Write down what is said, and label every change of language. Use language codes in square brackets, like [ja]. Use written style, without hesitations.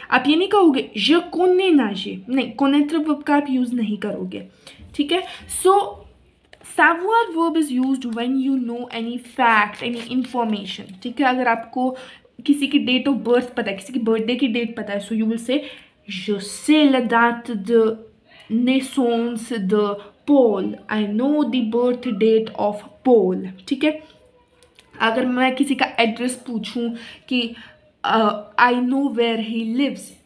[hi] आप ये नहीं कहोगे [fr] जे कोने नाजे, [hi] नहीं, कोनेत्र वर्ब का आप यूज नहीं करोगे. ठीक है, [en] So सावुआर verb is use when you know any fact any information. [hi] ठीक है, अगर आपको किसी की [en] date of birth [hi] पता है, किसी की बर्थडे की डेट पता है [en] so you will say [fr] Je sais la date de naissance de Paul. [en] I know the birth date of Paul. [hi] ठीक है? अगर मैं किसी का एड्रेस पूछूं कि [en] I know where he lives.